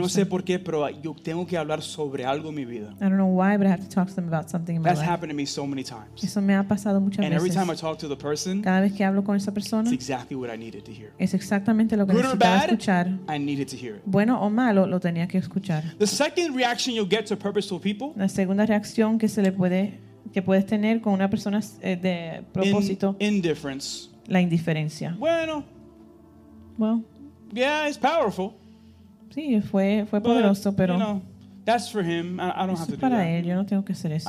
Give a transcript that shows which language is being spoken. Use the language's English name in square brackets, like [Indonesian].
[Spanish] No sé por qué, pero yo tengo que hablar sobre algo en mi vida. [English] I don't know why, but I have to talk to them about something in my life. That's happened to me so many times. [Spanish] Eso me ha pasado muchas veces. [English] And every time I talk to the person, [Spanish] cada vez que hablo con esa persona, [English] it's exactly what I needed to hear. [Spanish] Es exactamente lo que necesitaba escuchar. [English] Good or bad, I needed to hear it. [Spanish] Bueno o malo, lo tenía que escuchar. [English] The second reaction you'll get to purposeful people, [Spanish] la segunda reacción que puedes tener con una persona de propósito, [English] indifference, [Spanish] la indiferencia. Bueno, [English] well, yeah, it's powerful. [Spanish] Sí, fue poderoso, pero [English] you know, that's for him. I don't have to do that. [Spanish] Es para él, yo no tengo que hacer eso.